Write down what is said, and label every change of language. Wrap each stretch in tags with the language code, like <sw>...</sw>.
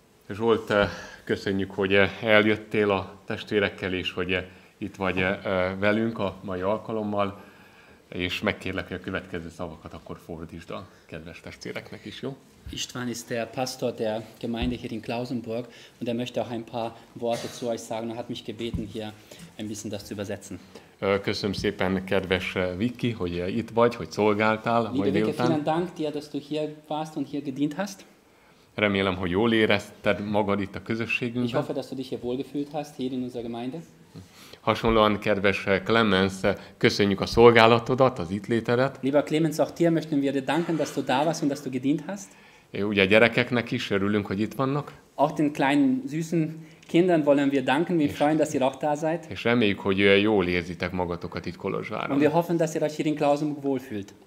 <hu>Zsolt, köszönjük, hogy eljöttél a testvérekkel, és hogy itt vagy velünk a mai alkalommal. És megkérlek, hogy a következő szavakat akkor fordítsd a kedves testvéreknek is, jó?</hu> <de>István ist der Pastor der Gemeinde hier in Klausenburg und er möchte auch ein paar Worte zu euch sagen und hat mich gebeten hier ein bisschen das zu übersetzen.</de> <hu>Köszönöm szépen, kedves Vicky, hogy itt vagy, hogy szolgáltál.</hu> <de>Liebe Vicky, vielen Dank dir, dass du hier warst und hier gedient hast.</de> <hu>Remélem, hogy jól érezted magad itt a közösségünkben.</hu> <de>Ich hoffe, dass du dich hier wohlgefühlt hast hier in unserer Gemeinde.</de> <hu>Hasonlóan, kedves Clemens, köszönjük a szolgálatodat, az ittlétedet.</hu> <de>Lieber Clemens, auch dir möchten wir dir danken, dass du da warst und dass du gedient hast.</de> <hu>Ugye a gyerekeknek is örülünk, hogy itt vannak.</hu> <de>Auch den kleinen süßen Kindern wollen wir danken, wir freuen, dass ihr auch da seid.</de> <hu>És reméljük, hogy jól érzitek magatokat itt Kolozsváron.</hu> <de>Und wir hoffen, dass ihr euch hier in Klausenburg wohlfühlt.</de>